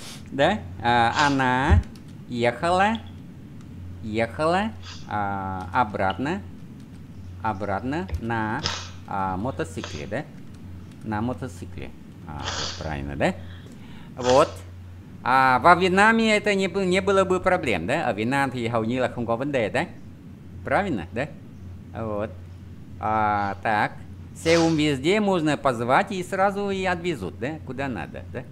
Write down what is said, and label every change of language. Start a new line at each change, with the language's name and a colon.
Russian: Đấy, она ехала обратно на мотоцикле, да? На мотоцикле. Вот правильно, да? Вот. Во Вьетнаме это не было бы проблем, да? А в Вьетнаме
Vietnamese: thì hầu như là không có vấn đề, да?
Russian: Правильно, да? Вот. Так. Сеум везде можно позвать и сразу и отвезут, да? Куда надо, да?